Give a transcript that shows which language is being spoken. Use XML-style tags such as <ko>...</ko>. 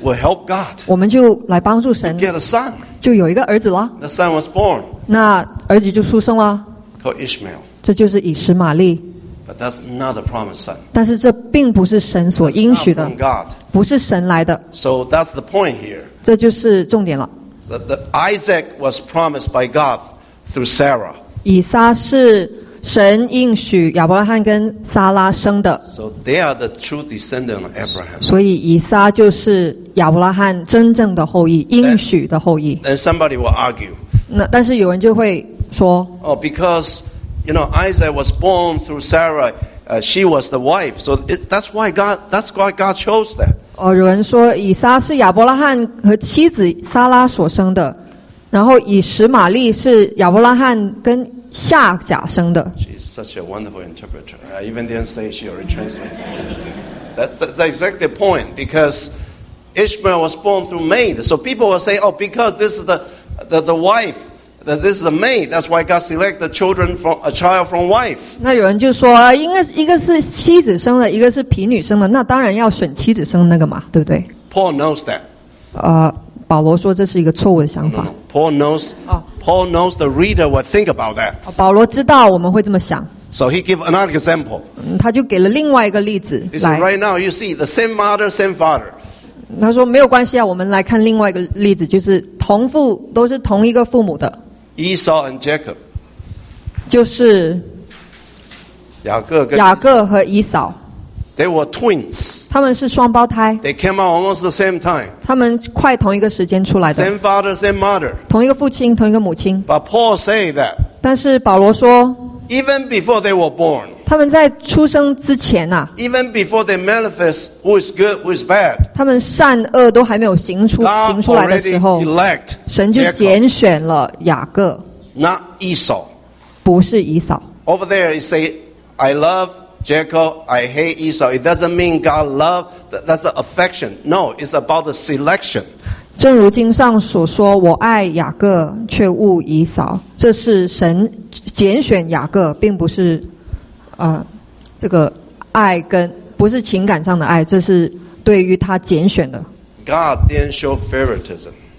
<en>We help God.</en> <zh>我们就来帮助神。</zh> <en>Get a son.</en> <zh>就有一个儿子了。</zh> <en>The son was born.</en> <zh>那儿子就出生了。</zh> <en>Called Ishmael.</en> <zh>这就是以实玛利。</zh> <en>But that's not the promised son.</en> <zh>但是这并不是神所应许的。</zh> <en>That's not from God.</en> <zh>不是神来的。</zh> <en>So that's the point here.</en> <zh>这就是重点了。</zh> <en>That Isaac was promised by God through Sarah.</en> <zh>以撒是神应许亚伯拉罕跟撒拉生的。</zh> <en>So they are the true descendant of Abraham.</en> <zh>所以以撒就是亚伯拉罕真正的后裔，应许的后裔。</zh> <en>And somebody will argue.</en> <zh>那但是有人就会说。</zh> <en>Oh, because you know Isaac was born through Sarah. She was the wife. So that's why God chose that.</en> <zh>哦，有人说以撒是亚伯拉罕和妻子撒拉所生的，然后以实玛利是亚伯拉罕跟夏甲生的。</zh> <en>She's such a wonderful interpreter. I even didn't say she already translated. That's exactly the point. Because Ishmael was born through maid, so people will say, "Oh, because this is the wife, that this is a maid. That's why God selected children from a child from wife."</en> <zh>那有人就说，应该一个是妻子生的，一个是婢女生的，那当然要选妻子生的那个嘛，对不对</zh> <en>？Paul knows that.</en> <zh>保罗说这是一个错误的想法。</zh> <en>No, Paul knows. Paul knows the reader would think about that.</en> <zh>保罗知道我们会这么想。</zh> <en>So he gave another example.</en> <zh>他就给了另外一个例子。</zh> <en>He said, "Right now, you see the same mother, same father."</en> <zh>他说没有关系啊，我们来看另外一个例子，就是同父都是同一个父母的。</zh> <en>Esau and Jacob.</en> <zh>就是雅各跟雅各和以扫。</zh> <en>They were twins.</en> <zh>他们是双胞胎。</zh> <en>They came out almost the same time.</en> <zh>他们快同一个时间出来的。</zh> <en>Same father, same mother.</en> <zh>同一个父亲，同一个母亲。</zh> <en>But Paul say that.</en> <zh>但是保罗说。</zh> <en>Even before they were born.</en> <zh>他们在出生之前啊。</zh> <en>Even before they manifest who is good, who is bad.</en> <zh>他们善恶都还没有行出来的时候。</zh> <en>God already elect Jacob.</en> <zh>神就拣选了雅各。</zh> <en>Not Esau.</en> <zh>不是以扫。</zh> <en>Over there you say, I love Jacob, I hate Esau. It doesn't mean God love, that's an affection. No, it's about the selection.</en> <zh>正如经上所说，我爱雅各，却恶以扫。这是神拣选雅各，并不是这个爱跟不是情感上的爱，这是对于他拣选的。</zh> <en>God didn't show favoritism.</en>